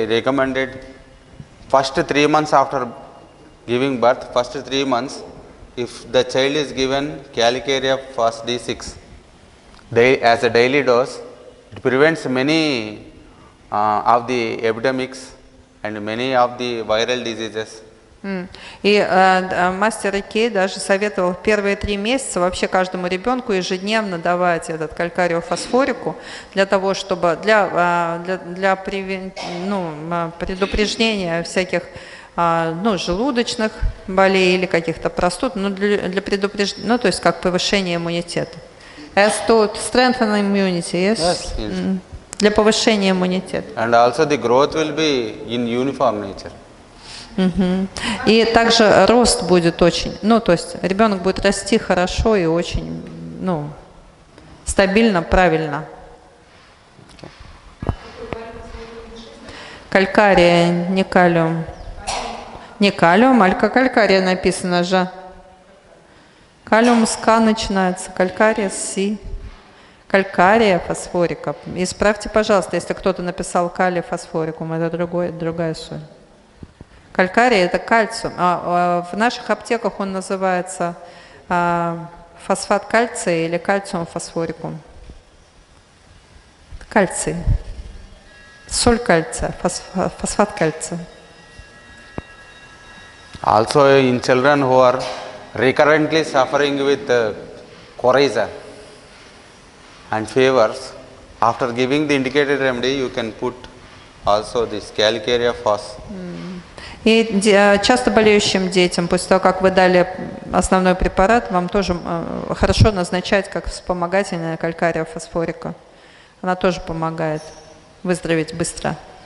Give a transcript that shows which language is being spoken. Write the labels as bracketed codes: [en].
[en] recommended first 3 months after giving birth, first 3 months, if the child is given calcarea first D6 as a daily dose, it prevents many of the epidemics and many of the viral diseases. [ru] И мастер Ике даже советовал первые 3 месяца вообще каждому ребенку ежедневно давать этот калькариофосфорику для того, чтобы предупреждения всяких желудочных болей или каких-то простуд, для предупреждения, то есть как повышение иммунитета. [en] As to strengthen immunity, yes? Yes, yes. [ru] Для повышения иммунитета. [en] And also the growth will be in uniform nature. [ru] И также рост будет очень, ну то есть ребенок будет расти хорошо и очень, ну, стабильно, правильно. Калькария, не калиум. Не калиум, алька калькария написано же. Калиум с К начинается, калькария с Си. Калькария фосфорика. Исправьте, пожалуйста, если кто-то написал калий фосфорикум, это другая соль. Калькария – это кальциум. В наших аптеках он называется фосфат кальция или кальциум фосфорикум. Кальций. Соль кальция, фосфат кальция. [en] Also in children who are recurrently suffering with coryza and fevers, after giving the indicated remedy, you can put also this calcarea fos. [ru] И часто болеющим детям, после того, как вы дали основной препарат, вам тоже хорошо назначать как вспомогательная калькария фосфорика. Она тоже помогает выздороветь быстро.